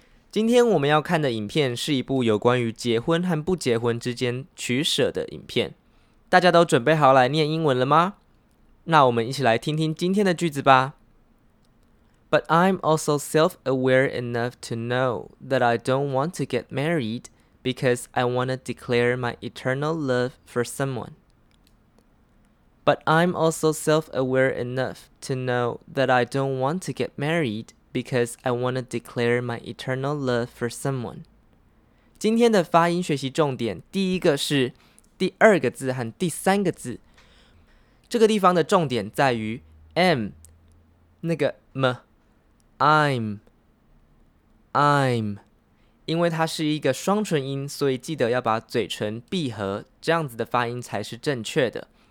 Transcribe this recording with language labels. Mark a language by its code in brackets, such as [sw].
[zh] 今天我们要看的影片是一部有关于结婚和不结婚之间取舍的影片。大家都准备好来念英文了吗？那我们一起来听听今天的句子吧。 [en] But I'm also self-aware enough to know that I don't want to get married because I want to declare my eternal love for someone. But I'm also self-aware enough to know that I don't want to get married because I want to declare my eternal love for someone. [zh] 今天的发音学习重点，第一个是第二个字和第三个字。这个地方的重点在于 M, 那个 M, I'm, 因为它是一个双唇音，所以记得要把嘴唇闭合，这样子的发音才是正确的。